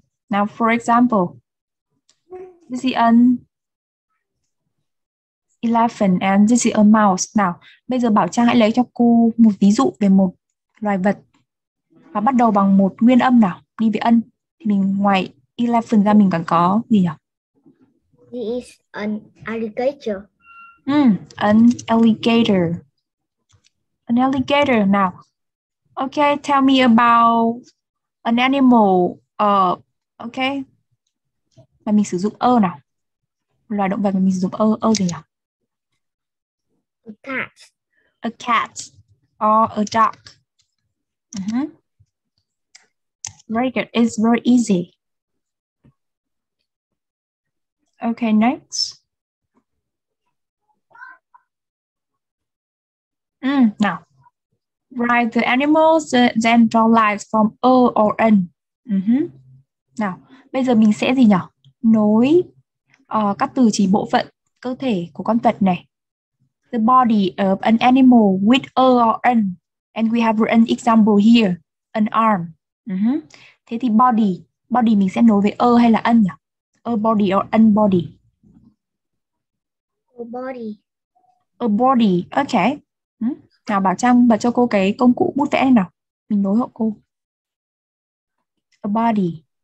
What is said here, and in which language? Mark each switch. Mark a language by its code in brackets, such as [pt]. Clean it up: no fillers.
[en] Now for example, this is an elephant and this is a mouse. [vi] Now, bây giờ Bảo Trang hãy lấy cho cô một ví dụ về một loài vật và bắt đầu bằng một nguyên âm nào, đi về ân. Thì mình ngoài elephant ra mình còn có gì nhỉ? [en] He is an alligator. An alligator. An alligator. Now, okay, tell me about an animal. Okay. [vi] Mà mình sử dụng ơ nào. Loài động vật mà mình sử dụng ơ, ơ gì nhỉ? [en] A cat. A cat. Or a dog. Very good. It's very easy. Okay, next. Now, write the animals, then draw lines from O or N. [vi] Now, bây giờ mình sẽ gì nhỉ? Nối các từ chỉ bộ phận cơ thể của con vật này. [en] The body of an animal with O or N. And we have an example here. An arm. [vi] Thế thì body, body mình sẽ nối với ơ hay là ân nhỉ? [en] A body or an body? A body. A body, okay. [vi] Nào Bảo Trang, bảo cho cô cái công cụ bút vẽ này nào. Mình nối hộ cô. [en] A body.